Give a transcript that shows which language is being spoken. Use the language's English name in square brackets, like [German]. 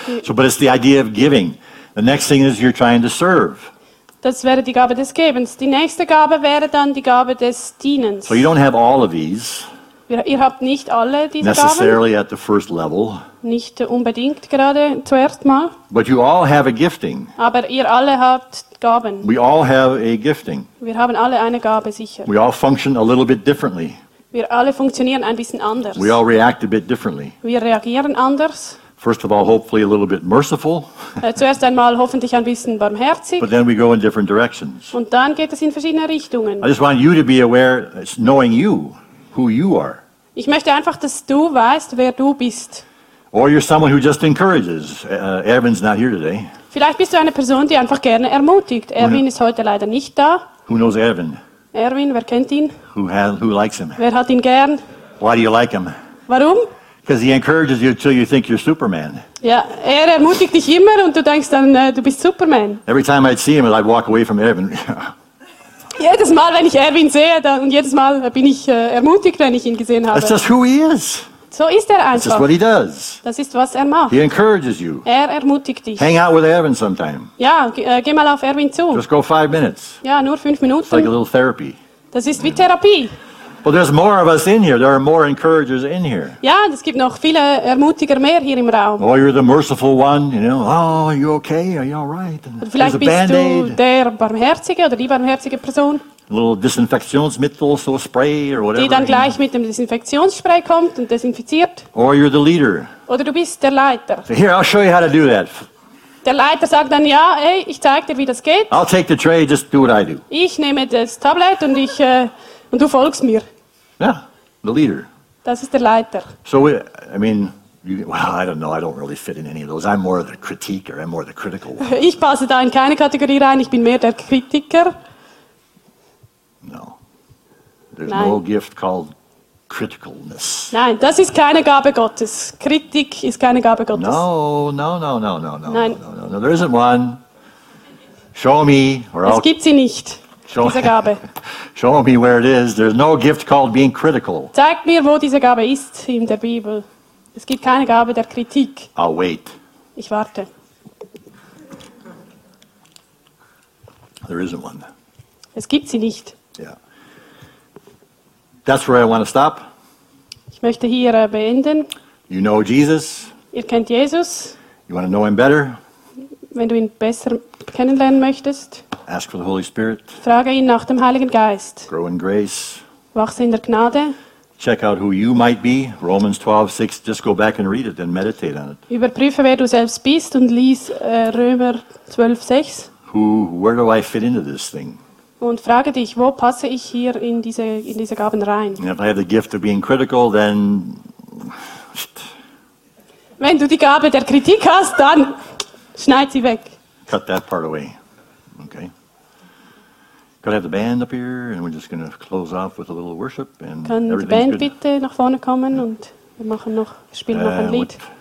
[English] So, but it's the idea of giving. The next thing is you're trying to serve. [German] Das wäre die Gabe des Gebens. Die nächste Gabe wäre dann die Gabe des Dienens. [English] So you don't have all of these. [German] Ihr habt nicht alle diese [English] necessarily [German] Gaben. [English] At the first level. [German] Nicht unbedingt gerade zuerst mal. [English] But you all have a gifting. [German] Aber ihr alle habt Gaben. [English] We all have a gifting. [German] Wir haben alle eine Gabe sicher. [English] We all function a little bit differently. [German] Wir alle funktionieren ein bisschen anders. [English] We all react a bit differently. [German] Wir reagieren anders. [English] First of all, hopefully a little bit merciful. [German] Zuerst einmal hoffentlich ein bisschen barmherzig. [English] But then we go in different directions. [German] Und dann geht es in verschiedene Richtungen. [English] I just want you to be aware, knowing you, who you are. [German] Ich möchte einfach, dass du weißt, wer du bist. [English] Or you're someone who just encourages. Erwin's not here today. [German] Vielleicht bist du eine Person, die einfach gerne ermutigt. Erwin ist heute leider nicht da. [English] Who knows Erwin? [German] Erwin, wer kennt ihn? [English] Who likes him? [German] Wer hat ihn gern? [English] Why do you like him? [German] Warum? [English] Because he encourages you until you think you're Superman. [German] Ja, er ermutigt dich immer und du denkst dann, du bist Superman. [English] Every time I'd see him, I'd walk away from Erwin. [German] Jedes Mal, wenn ich Erwin sehe, dann, und jedes Mal bin ich ermutigt, wenn ich ihn gesehen habe. [English] That's just who he is. [German] So ist er einfach. [English] That's just what he does. [German] Das ist, was er macht. [English] He encourages you. [German] Er ermutigt dich. [English] Hang out with Erwin sometime. [German] Ja, geh mal auf Erwin zu. [English] Just go 5 minutes. [German] Ja, nur 5 Minuten. [English] It's like a little therapy. [German] Das ist wie Therapie. [English] Well, there's more of us in here. There are more encouragers in here. [German] Ja, es gibt noch viele Ermutiger mehr hier im Raum. [English] Oh, you're the merciful one, you know. Oh, are you okay? Are you all right? [German] And vielleicht bist du der barmherzige oder die barmherzige Person. [English] A little Desinfektionsmittel, so spray or whatever. [German] Die dann gleich mit dem Desinfektionsspray kommt und desinfiziert. [English] Or you're the leader. [German] Oder du bist der Leiter. [English] So here, I'll show you how to do that. [German] Der Leiter sagt dann, ja, hey, ich zeig dir, wie das geht. [English] I'll take the tray, just do what I do. [German] Ich nehme das Tablet und ich... Und du folgst mir. [English] Yeah, the leader. [German] Das ist der Leiter. [English] So, we, I mean, you, well, I don't know, I don't really fit in any of those. I'm more the critiquer, I'm more the critical one. [German] Ich passe da in keine Kategorie rein, ich bin mehr der Kritiker. [English] No. There's no gift called criticalness. [German] Nein, das ist keine Gabe Gottes. Kritik ist keine Gabe Gottes. [English] No. There isn't one. Show me, or [German] es gibt sie nicht. [English] Show me where it is. There's no gift called being critical. [German] Zeig mir, wo diese Gabe ist in der Bibel. Es gibt keine Gabe der Kritik. [English] I'll wait. [German] Ich warte. [English] There isn't one. [German] Es gibt sie nicht. [English] Yeah. That's where I want to stop. [German] Ich möchte hier beenden. [English] You know Jesus. [German] Ihr kennt Jesus. [English] You want to know him better. [German] Wenn du ihn besser kennenlernen möchtest. [English] Ask for the Holy Spirit. [German] Frage ihn nach dem Heiligen Geist. [English] Grow in grace. [German] Wachse in der Gnade. [English] Check out who you might be. Romans 12:6. Just go back and read it and meditate on it. [German] Überprüfe, wer du selbst bist und lies Römer 12:6. [English] Where do I fit into this thing? [German] Und frage dich, wo passe ich hier in diese Gaben rein? [English] And if I have the gift of being critical, then. [German] Wenn du die Gabe der Kritik hast, dann schneid sie weg. [English] Cut that part away. Okay. Could I have the band up here, and we're just going to close off with a little worship, and [German] kann [English] everything's [German] die Band [English] good. [German] Bitte nach vorne kommen, yeah. Und wir machen noch, wir spielen noch ein Lied.